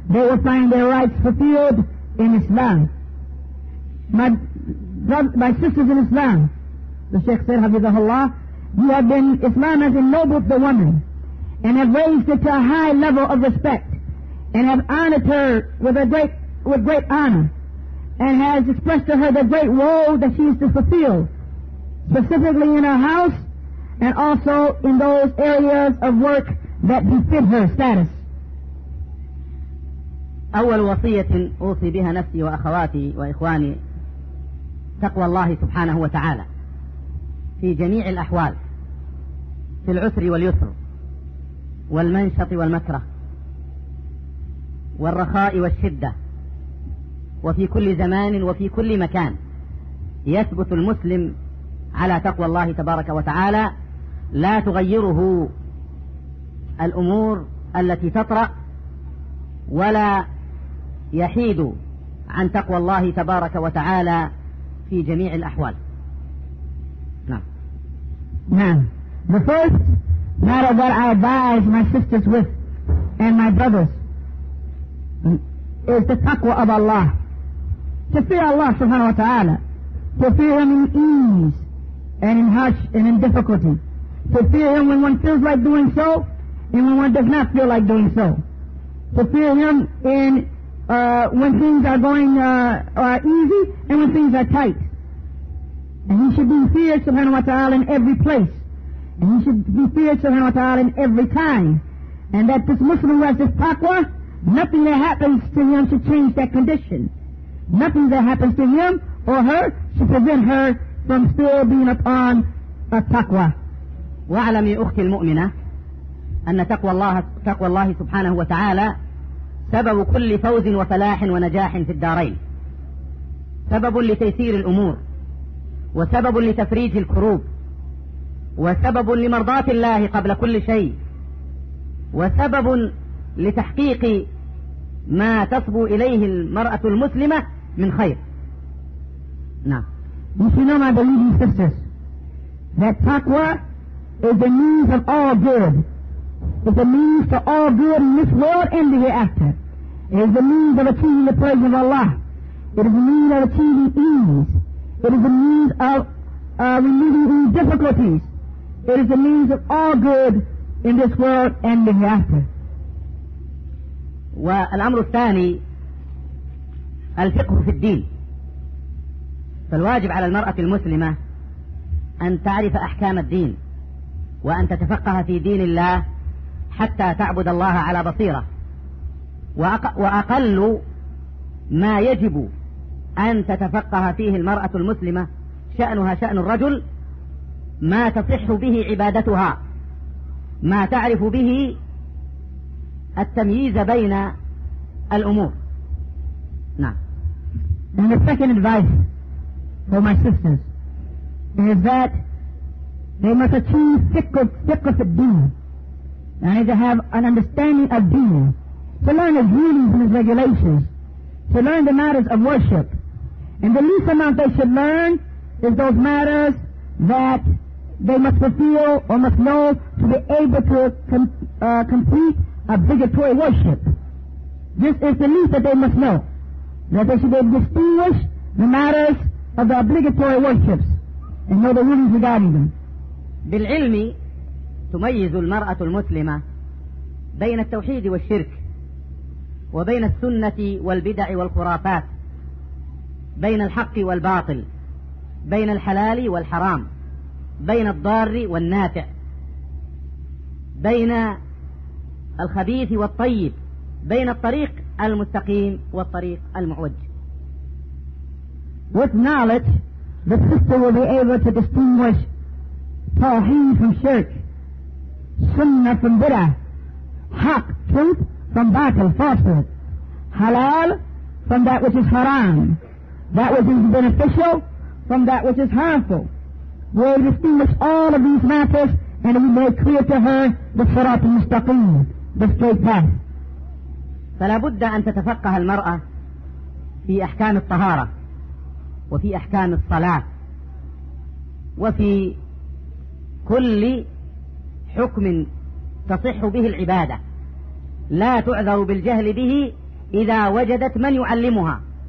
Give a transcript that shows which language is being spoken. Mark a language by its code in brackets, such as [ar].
[en] They will find their rights fulfilled in Islam. My sisters in Islam, the Sheikh said, Hafizahullah, you have been, Islam has ennobled the woman and have raised her to a high level of respect and have honored her with great honor and has expressed to her the great role that she is to fulfill, specifically in her house and also in those areas of work that befit her status. [ar] أول وصية أوصي بها نفسي وأخواتي وإخواني تقوى الله سبحانه وتعالى في جميع الأحوال في العسر واليسر والمنشط والمكره والرخاء والشدة وفي كل زمان وفي كل مكان يثبت المسلم على تقوى الله تبارك وتعالى لا تغيره الأمور التي تطرأ ولا يحيد عن تقوى الله تبارك وتعالى في جميع الأحوال. نعم. [en] The first matter that I advise my sisters with and my brothers is the taqwa of Allah. To fear Allah subhanahu wa ta'ala. To fear Him in ease and in hush and in difficulty. To fear Him when one feels like doing so and when one does not feel like doing so. To fear Him in when things are going are easy and when things are tight. And he should be feared subhanahu wa ta'ala in every place. And he should be feared subhanahu wa ta'ala in every time. And that this Muslim who has this taqwa, nothing that happens to him should change that condition. Nothing that happens to him or her should prevent her from still being upon a taqwa. [ar] وَعَلَمِي أُخْتِ الْمُؤْمِنَةِ أن تقوى الله سبحانه وتعالى سبب كل فوز وفلاح ونجاح في الدارين، سبب لتيسير الأمور، وسبب لتفريج الكروب، وسبب لمرضاة الله قبل كل شيء، وسبب لتحقيق ما تصبو إليه المرأة المسلمة من خير. نعم. [en] You know, my believing sisters, that taqwa is the means of all good. It's the means to all good in this world and the hereafter. It is the means of achieving the praise of Allah. It is the means of achieving ease. It is the means of removing these difficulties. It is the means of all good in this world and the hereafter. [ar] والأمر الثاني الفقه في الدين. فالواجب على المرأة المسلمة أن تعرف أحكام الدين وأن تتفقه في دين الله حتى تعبد الله على بصيرة. وأقل ما يجب أن تتفقه فيه المرأة المسلمة شأنها شأن الرجل ما تصح به عبادتها، ما تعرف به التمييز بين الأمور. نعم. [en] And the second advice for my sisters is that they must achieve fiqh of deen. I need to have an understanding of deen, to learn his rulings and his regulations, to learn the matters of worship. And the least amount they should learn is those matters that they must fulfill or must know to be able to complete obligatory worship. This is the least that they must know, that they should be able to distinguish the matters of the obligatory worships and know the rulings regarding them. [ar] بالعلم تميز المرأة المسلمة بين التوحيد والشرك، وبين السنة والبدع والخرافات، بين الحق والباطل، بين الحلال والحرام، بين الضار والنافع، بين الخبيث والطيب، بين الطريق المستقيم والطريق المعوج. [en] With knowledge, the sister will be able to distinguish tawheed from shirk, sunnah from bid'ah, haq, truth, from batil, falsehood, halal from that which is haram, that which is beneficial from that which is harmful. We'll distinguish all of these matters, and we make clear to her the sirat al-mustaqim, the straight path. [ar] فلا بد أن تتفقه المرأة في أحكام الطهارة وفي أحكام الصلاة وفي كل حكم تصح به العبادة، لا تعذر بالجهل به إذا وجدت من يعلمها.